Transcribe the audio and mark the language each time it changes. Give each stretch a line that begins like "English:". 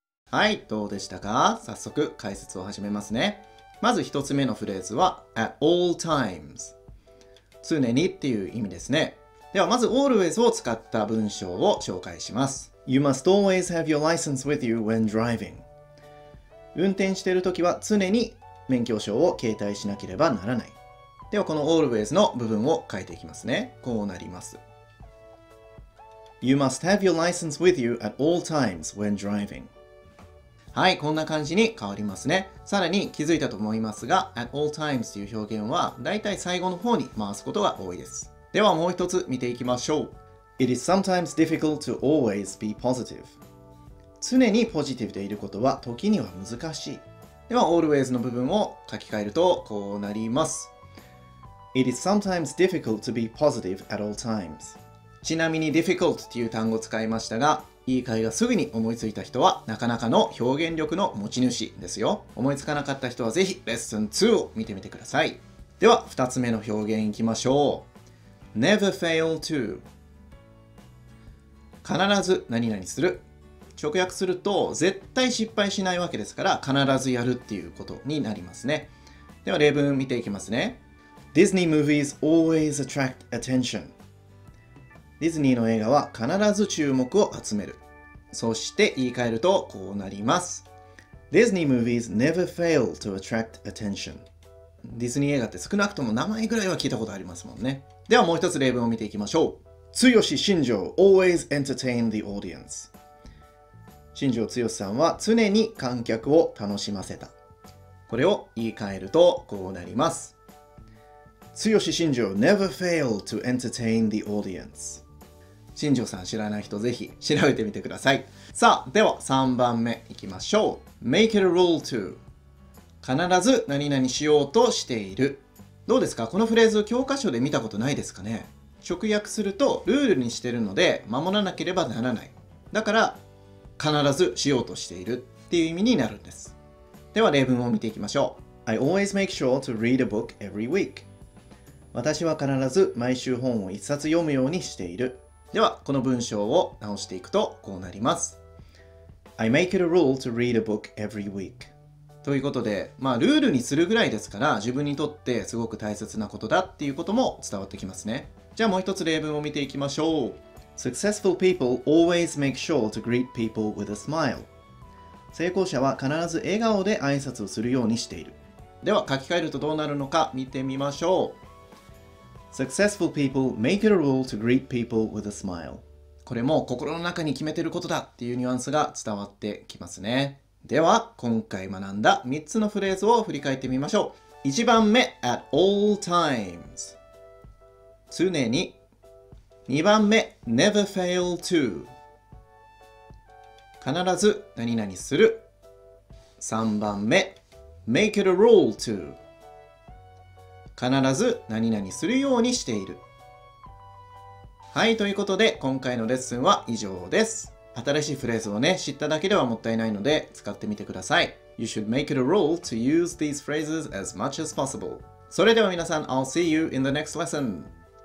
Japanese: はい、どうでしたか？早速解説を始めますね。まず一つ目のフレーズは
English: at all times、
Japanese: 常にっていう意味ですね。ではまず always を使った文章を紹介します。
English: You must always have your license with you when driving。
Japanese: 運転しているときは常に免許証を携帯しなければならない。ではこの always の部分を書いていきますね。こうなります。
English: You must have your license with you at all times when driving。
Japanese: はい、こんな感じに変わりますね。さらに気づいたと思いますが、
English: at all times
Japanese: という表現はだいたい最後の方に回すことが多いです。ではもう一つ見ていきましょう。
English: It is sometimes difficult to always be positive。
Japanese: 常にポジティブでいることは時には難しい。では always の部分を書き換えるとこうなります。
English: It is sometimes difficult to be positive at all times。
Japanese: ちなみに difficult という単語を使いましたが、いい会がすぐに思いついた人はなかなかの表現力の持ち主ですよ。思いつかなかった人はぜひレッスン2を見てみてください。では2つ目の表現いきましょう。
English: Never fail to、
Japanese: 必ず何々する。直訳すると絶対失敗しないわけですから、必ずやるっていうことになりますね。では例文見ていきますね。
English: Disney movies always attract attention。
Japanese: ディズニーの映画は必ず注目を集める。そして言い換えるとこうなります。
English: Disney movies never fail to attract attention。
Japanese: ディズニー映画って少なくとも名前ぐらいは聞いたことありますもんね。ではもう一つ例文を見ていきましょう。
English: 剛新庄 always entertain the audience。
Japanese: 新庄剛さんは常に観客を楽しませた。これを言い換えるとこうなります。
English: 剛新庄 never fail to entertain the audience。
Japanese: 新庄さん知らない人ぜひ調べてみてください。さあでは3番目いきましょう。
English: make it a rule to、
Japanese: 必ず何々しようとしている。どうですか、このフレーズ教科書で見たことないですかね。直訳するとルールにしてるので守らなければならない、だから必ずしようとしているっていう意味になるんです。では例文を見ていきましょう。
English: I always make sure to read a book every week。
Japanese: 私は必ず毎週本を一冊読むようにしている。ではこの文章を直していくとこうなります。
English: I make it a rule to read a book every week。
Japanese: ということで、まあルールにするぐらいですから、自分にとってすごく大切なことだっていうことも伝わってきますね。じゃあもう一つ例文を見ていきましょう。
English: Successful people always make sure to greet people with a smile。
Japanese: 成功者は必ず笑顔で挨拶をするようにしている。では書き換えるとどうなるのか見てみましょう。
English: Successful people make it a rule to greet people with a smile。
Japanese: これも心の中に決めてることだっていうニュアンスが伝わってきますね。では今回学んだ3つのフレーズを振り返ってみましょう。 1番目
English: at all times、
Japanese: 常に。 2番目
English: never fail to、
Japanese: 必ず何々する。 3番目
English: make it a rule to、
Japanese: 必ず何々するようにしている。はい、ということで今回のレッスンは以上です。新しいフレーズをね、知っただけではもったいないので使ってみてください。
English: You should make it a rule to use these phrases as much as possible。
Japanese: それでは皆さん、
English: I'll see you in the next lesson。